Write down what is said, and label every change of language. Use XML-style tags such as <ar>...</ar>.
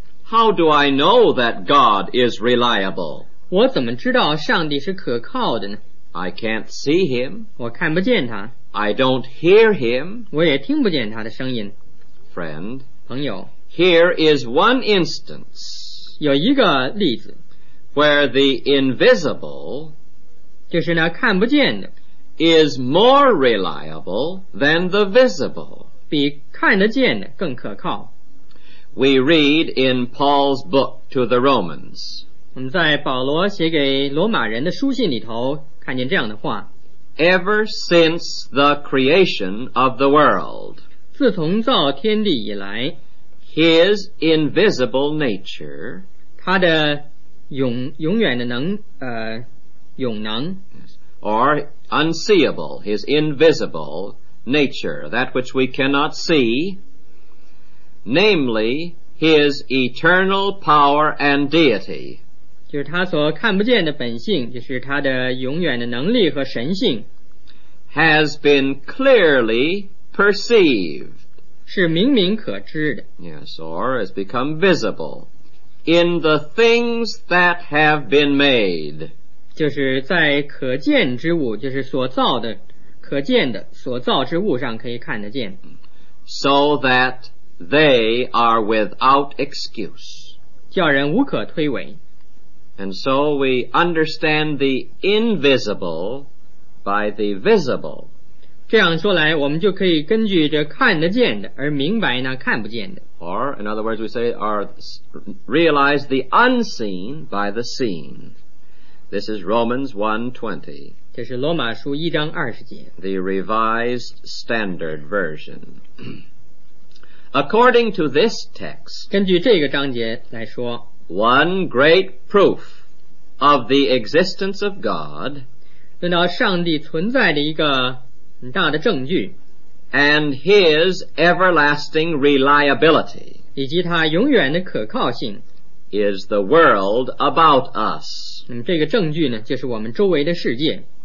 <en>How do I know that God is reliable?</en> <zh>我怎么知道上帝是可靠的呢？</zh> <en>I can't see him,</en> <zh>我看不见他。</zh> <en>I don't hear him.</en> <zh>我也听不见他的声音。</zh> <en>Friend,</en> <zh>朋友，</zh> <en>here is one instance,</en> <zh>有一个例子，</zh> <en>where the invisible,</en> <zh>就是那看不见的，</zh> <en>is more reliable than the visible,</en> <zh>比看得见的更可靠。</zh> <en>We read in Paul's book to the Romans,</en> <zh>我们在保罗写给罗马人的书信里头看见这样的话。</zh> <en>Ever since the creation of the world,</en> <zh>自从造天地以来，</zh> <en>His invisible nature,</en> <zh>他的永远的能，永能，</zh> <en>or unseeable, his invisible nature, that which we cannot see, namely his eternal power and deity.</en> <zh>就是他所看不见的本性，就是他的永远的能力和神性。</zh> <en>Has been clearly perceived.</en> <zh>是明明可知的。</zh> <en>Yes, or has become visible in the things that have been made.</en> <zh>就是在可见之物，就是所造的，可见的，所造之物上可以看得见。</zh> <en>So that they are without excuse.</en> <zh>叫人无可推诿。</zh> <en>And so we understand the invisible by the visible.</en> <zh>这样说来，我们就可以根据这看得见的而明白那看不见的。</zh> <en>Or, in other words, we say, are realize the unseen by the seen. This is Romans 1:20.</en> <zh>这是罗马书一章二十节。</zh> <en>The Revised Standard Version. According to this text,</en> <zh>根据这个章节来说，</zh> <en>One great proof of the existence of God,</en> <zh>论到上帝存在的一个很大的证据,</zh> <en>and his everlasting reliability,</en> <zh>以及他永远的可靠性,</zh> <en>is the world about us.</en> <zh>这个证据呢,就是我们周围的世界。</zh>